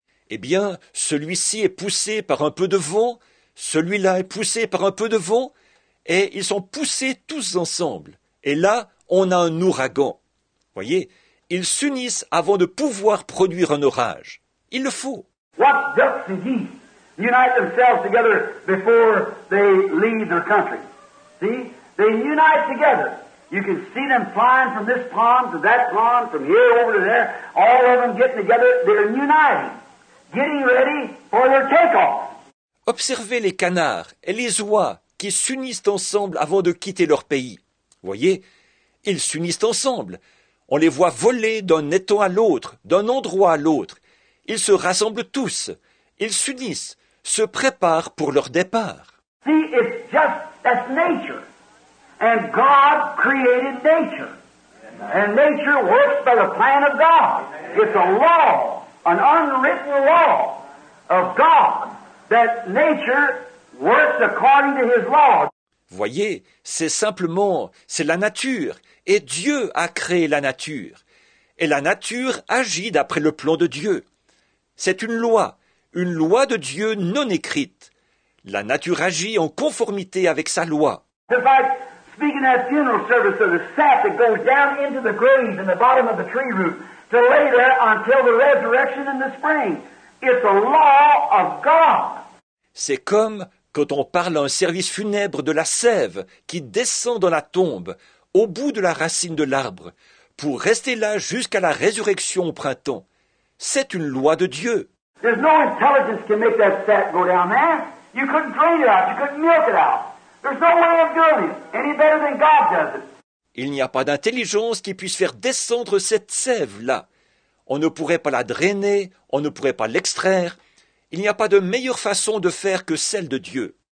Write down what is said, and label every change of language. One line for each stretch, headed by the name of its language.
French: Eh bien, celui-ci est poussé par un peu de vent, celui-là est poussé par un peu de vent, et ils sont poussés tous ensemble. Et là, on a un ouragan. Voyez ? Ils s'unissent avant de pouvoir produire un orage. Il le faut.
English: What ducks and geese unite themselves together before they leave their country? See? They unite together. You can see them flying from this pond to that pond, from here over to there, all of them getting together. They're uniting, getting ready for their takeoff.
French: Observez les canards et les oies qui s'unissent ensemble avant de quitter leur pays. Voyez, ils s'unissent ensemble. On les voit voler d'un étang à l'autre, d'un endroit à l'autre. Ils se rassemblent tous. Ils s'unissent, se préparent pour leur départ.
English: See, it's just that's nature. And God created nature. And nature works by the plan of God. It's a law, an unwritten law of God. That nature works according to his law.
French: Voyez, c'est simplement, c'est la nature, et Dieu a créé la nature. Et la nature agit d'après le plan de Dieu. C'est une loi de Dieu non écrite. La nature agit en conformité avec sa loi.
English: If I speak in that funeral service of the sap that goes down into the graves in the bottom of the tree root to lay there until the resurrection in the spring. It's a law of God.
French: C'est comme quand on parle à un service funèbre de la sève qui descend dans la tombe, au bout de la racine de l'arbre, pour rester là jusqu'à la résurrection au printemps. C'est une loi de Dieu.
English: There's no intelligence can make that sap go down, man. You couldn't drain it out, you couldn't milk it out. There's no way of doing it any better than God does it.
French: Il n'y a pas d'intelligence qui puisse faire descendre cette sève là. On ne pourrait pas la drainer, on ne pourrait pas l'extraire. Il n'y a pas de meilleure façon de faire que celle de Dieu.